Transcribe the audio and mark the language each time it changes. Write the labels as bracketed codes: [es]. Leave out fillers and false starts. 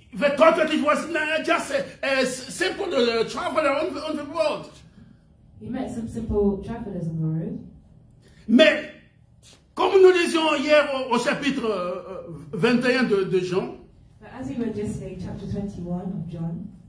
[en] They thought that it was just a simple traveler on the road. He met some simple travelers on the road. [fr] Mais comme nous lisions hier au chapitre 21 de Jean, [en] but as we were just saying, chapter 21 of John,